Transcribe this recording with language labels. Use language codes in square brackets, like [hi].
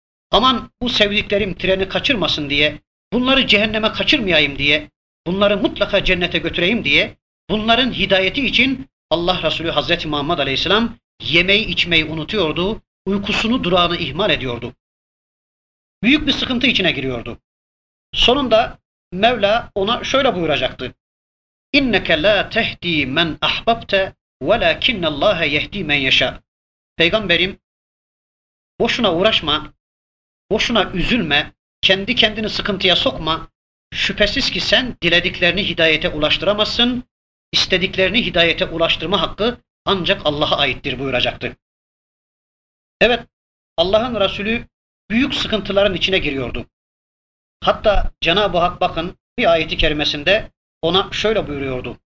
[tr] Aman bu sevdiklerim treni kaçırmasın diye, bunları cehenneme kaçırmayayım diye, bunları mutlaka cennete götüreyim diye, bunların hidayeti için Allah Resulü Hazreti Muhammed Aleyhisselam yemeği içmeyi unutuyordu, uykusunu durağını ihmal ediyordu. Büyük bir sıkıntı içine giriyordu. Sonunda Mevla ona şöyle buyuracaktı. [ar] اِنَّكَ لَا تَهْد۪ي مَنْ اَحْبَبْتَ وَلَاكِنَّ اللّٰهَ يَهْد۪ي مَنْ يَشَاءَ [tr] Peygamberim, boşuna uğraşma, boşuna üzülme, kendi kendini sıkıntıya sokma. Şüphesiz ki sen dilediklerini hidayete ulaştıramazsın, istediklerini hidayete ulaştırma hakkı ancak Allah'a aittir buyuracaktı. Evet, Allah'ın Resulü büyük sıkıntıların içine giriyordu. Hatta Cenab-ı Hak bakın bir ayeti kerimesinde ona şöyle buyuruyordu.